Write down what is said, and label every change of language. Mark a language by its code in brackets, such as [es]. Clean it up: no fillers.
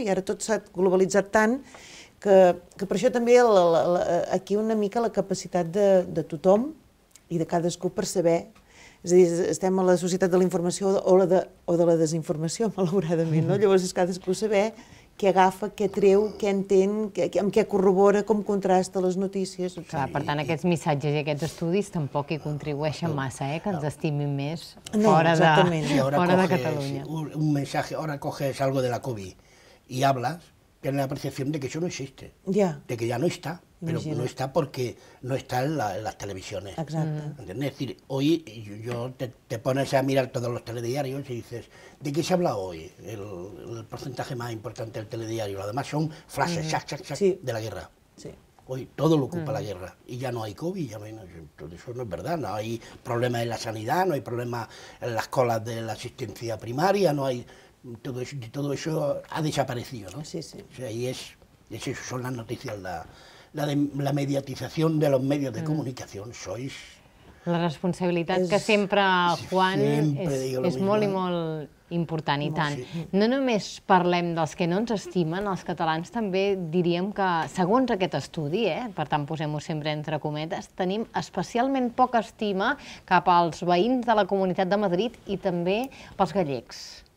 [ca] I ara tot s'ha globalitzat tant que per això també aquí una mica la capacitat de tothom i de cadascú per saber, és a dir, estem a la societat de la informació o de la desinformació, malauradament, no? Llavors és cadascú saber què agafa, què treu, què entén, amb què corrobora, com contrasta les notícies. Clar, per tant, aquests missatges i aquests estudis tampoc hi contribueixen massa, que ens estimin més fora de Catalunya. Un missatge, ara [es] coges algo de la Covid i hables, tiene la percepción de que eso no existe, de que ya no está, pero no está porque no está en las televisiones. Exacto. Es decir, hoy yo te pones a mirar todos los telediarios y dices, ¿de qué se habla hoy? El porcentaje más importante del telediario, lo demás son frases, de la guerra. Sí. Hoy todo lo ocupa la guerra y ya no hay COVID, ya no hay, todo eso no es verdad, no hay problemas en la sanidad, no hay problemas en las colas de la asistencia primaria, no hay... Todo eso ha desaparecido, ¿no? Sí, sí. O sea, y es eso, son las noticias, la mediatización de los medios de comunicación, sois... [ca] La responsabilitat que sempre, Juan, és molt i molt important, i tant. No només parlem dels que no ens estimen, els catalans també diríem que, segons aquest estudi, per tant posem-ho sempre entre cometes, tenim especialment poca estima cap als veïns de la Comunitat de Madrid i també pels gallecs.